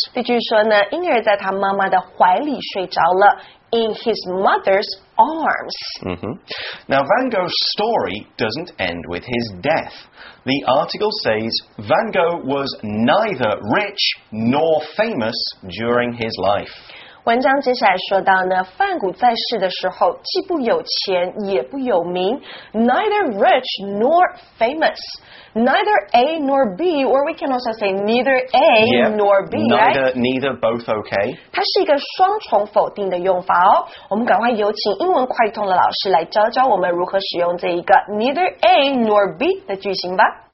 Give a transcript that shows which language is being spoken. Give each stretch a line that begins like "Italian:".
Chinese: 例句说呢，婴儿在他妈妈的怀里睡着了。
English: In his mother's arms. Mm-hmm. Now, Van Gogh's story doesn't end with his death. The article says Van Gogh was neither rich nor famous during his life.
Chinese: 文章接下来说到呢，范谷在世的时候既不有钱也不有名 ，
English: neither rich nor famous. Neither A nor B, or we can also say neither A nor B, neither, right? Neither, both okay.
Chinese: 它是一个双重否定的用法哦。我们赶快有请英文快通的老师来教教我们如何使用这一个 neither A nor B 的句型吧。